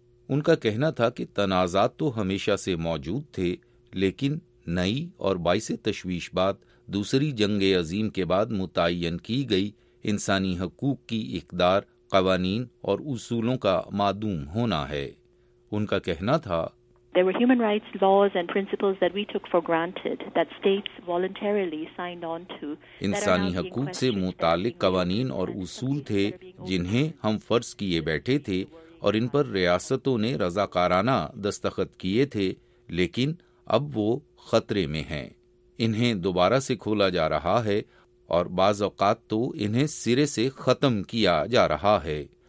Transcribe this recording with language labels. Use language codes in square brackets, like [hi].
[ur] ان کا کہنا تھا کہ تنازعات تو ہمیشہ سے موجود تھے, لیکن نئی اور باعث تشویش بات دوسری جنگ عظیم کے بعد متعین کی گئی انسانی حقوق کی اقدار, قوانین اور اصولوں کا معدوم ہونا ہے. ان کا کہنا تھا, [en] There were human rights laws and principles that we took for granted that states voluntarily signed on to. [ur] انسانی حقوق سے متعلق قوانین اور اصول تھے جنہیں ہم فرض کیے بیٹھے تھے, اور ان پر ریاستوں نے رضاکارانہ دستخط کیے تھے, لیکن اب وہ خطرے میں ہیں. انہیں دوبارہ سے کھولا جا رہا ہے, اور بعض اوقات تو انہیں سرے سے ختم کیا جا رہا ہے.